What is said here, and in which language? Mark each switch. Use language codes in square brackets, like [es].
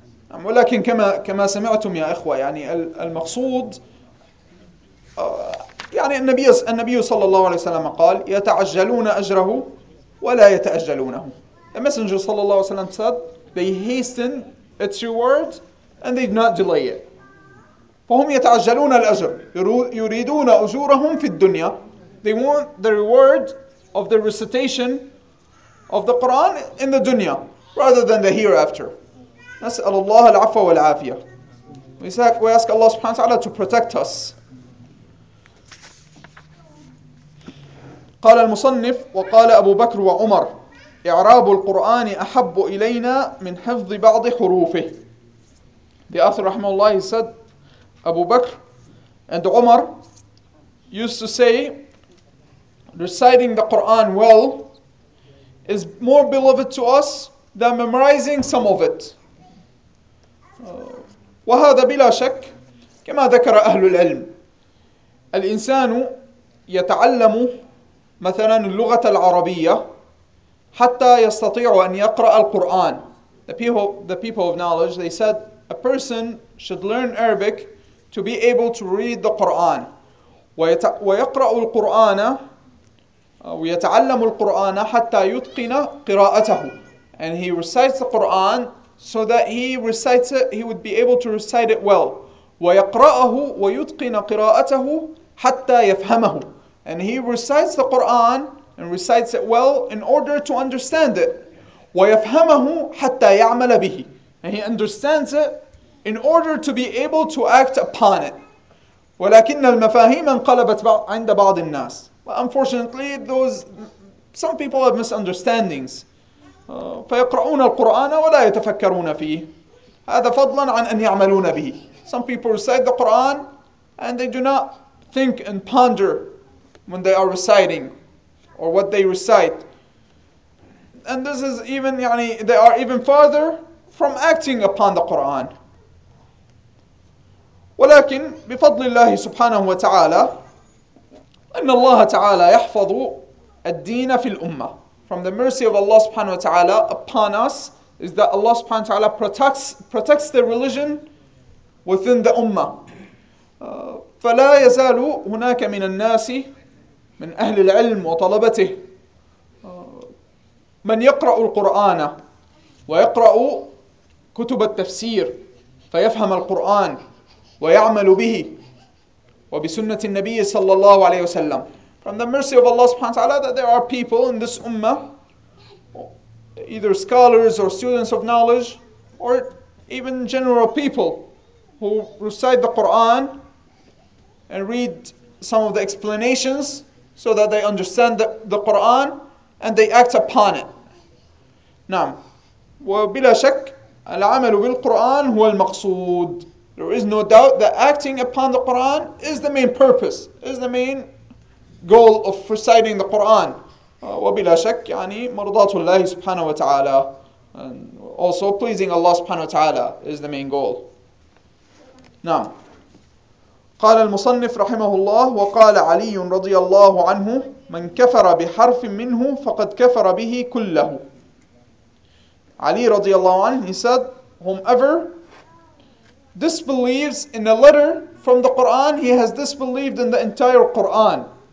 [ar] نعم. ولكن كما سمعتم يا إخوة, يعني المقصود يعني النبي صلى الله عليه وسلم قال يتعجلون أجره ولا يتأجلونه. [en] The messenger [ar] صلى الله عليه وسلم [en] said they hasten its reward and they do not delay it. [ar] فهم يتعجلون الأجر, يريدون أجورهم في الدنيا. [en] They want the reward of the recitation of the Quran in the dunya rather than the hereafter. [ar] نسأل الله العفو والعافية. [en] We ask Allah subhanahu wa ta'ala to protect us. [ar] قال المصنف وقال أبو بكر وعمر إعراب القرآن أحب إلينا من حفظ بعض حروفه. [en] The author [ar] رحمه الله [en] said Abu Bakr and Umar used to say reciting the Quran well is more beloved to us than memorizing some of it. [ar] وهذا بلا شك كما ذكر أهل العلم الإنسان يتعلم مثلا اللغة العربية حتى يستطيع أن يقرأ القرآن. [en] The people of knowledge, they said a person should learn Arabic to be able to read the Quran. [ar] ويقرأ القرآن ويتعلم القرآن حتى يتقن قراءته. [en] And he recites the Quran so that he recites it, he would be able to recite it well. [ar] ويقرأه ويتقن قراءته حتى يفهمه. [en] And he recites the Quran and recites it well in order to understand it. [ar] ويفهمه حتى يعمل به. [en] And he understands it in order to be able to act upon it. [ar] ولكن المفاهيم انقلبت عند بعض الناس. [en] But unfortunately, some people have misunderstandings. [ar] فيقرؤون القرآن ولا يتفكرون فيه. هذا فضلا عن أن يعملون به. [en] Some people recite the Quran and they do not think and ponder when they are reciting or what they recite. And this is even, يعني, they are even farther from acting upon the Quran. [ar] ولكن بفضل الله سبحانه وتعالى أن الله تعالى يحفظ الدين في الأمة. [en] From the mercy of Allah subhanahu wa ta'ala upon us is that Allah subhanahu wa ta'ala protects the religion within the ummah. [ar] فلا يزال هناك من الناس من أهل العلم وطلبته من يقرأ القرآن ويقرأ كتب التفسير فيفهم القرآن ويعمل به وبسنة النبي صلى الله عليه وسلم. [en] From the mercy of Allah subhanahu wa ta'ala that there are people in this ummah, either scholars or students of knowledge, or even general people who recite the Quran and read some of the explanations so that they understand the Quran and they act upon it. [ar] نعم. وبلا شك العمل بالقرآن هو المقصود. [en] There is no doubt that acting upon the Quran is the main purpose, is the main goal of reciting the Quran. [ar] وبلا شك يعني مرضات الله سبحانه وتعالى. [en] And also pleasing Allah [ar] سبحانه وتعالى [en] is the main goal. [ar] نعم. قال المصنف رحمه الله وقال علي رضي الله عنه من كفر بحرف منه فقد كفر به كله. علي رضي الله عنه, [en] he said, whomever disbelieves in a letter from the Quran, he has disbelieved in the entire Quran.